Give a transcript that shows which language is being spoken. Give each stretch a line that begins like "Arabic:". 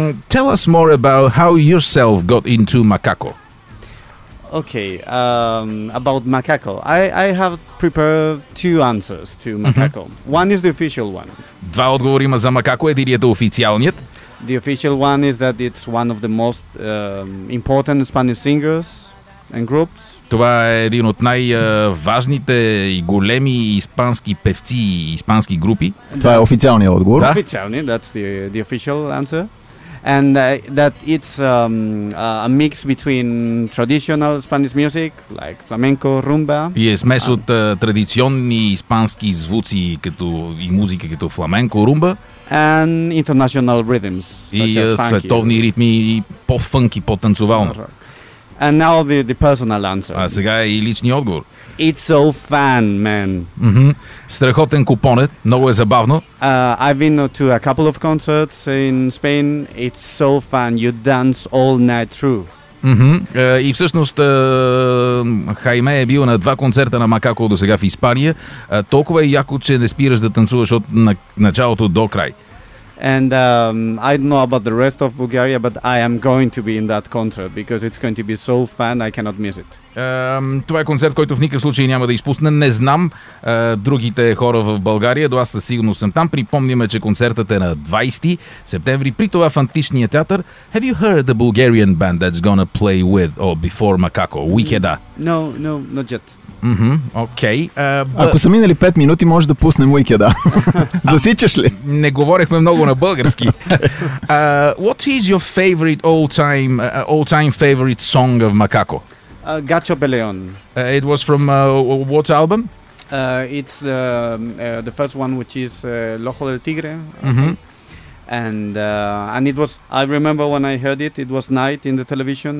English: Tell us more about how yourself got into Macaco. Okay, about Macaco. I have prepared two answers to Macaco. Mm-hmm. One is the official one.
Bulgarian: Два отговора има за Macaco, един е официалният.
English: The official one is that it's one of the most important Spanish singers and groups.
Bulgarian: Това е един от най-важните и големи испански певци и испански групи. Това е официалният отговор. Да. Официалният,
English: that's the official answer. And that it's a mix between traditional Spanish music, like flamenco, rumba.
Bulgarian: И е смес от традиционни испански звуци като, и музика като фламенко, румба.
English: And international rhythms,
Bulgarian: и световни ритми, по-фънки, по-танцовално.
English: And now the personal answer.
Bulgarian: А сега е и личния отговор.
English: It's so fun, man. Mm-hmm.
Bulgarian: Страхотен купонет, много е забавно.
English: I've been to a couple of concerts in Spain. It's so fun. You dance all night through. Mm-hmm.
Bulgarian: И всъщност Хайме е бил на два концерта на Макако до сега в Испания. Толкова е яко, че не спираш да танцуваш от началото до край.
English: And I don't know about the rest of Bulgaria, but I am going to be in that concert because it's going to be so fun, I cannot miss it.
Bulgarian: Това е концерт, който в никакъв случай няма да изпусне. Не знам другите хора в България, но аз със сигурност съм там. Припомняме, че концертът е на 20 септември. При това в античния театър.
English: Have you heard the Bulgarian band that's gonna play with or before Macaco? Wikeda? No, not yet. Mm-hmm. Okay.
Bulgarian: Ако са минали 5 минути, може да пуснем Wikeda. Засичаш ли? Не говорихме много на български.
English: What is your favorite all-time favorite song of Macaco?
Spanish: Gacho Peleon.
English: It was from what album? It's the first one, which is L'Ojo del Tigre. Mm-hmm. And it was, I remember when I heard it was night in the television.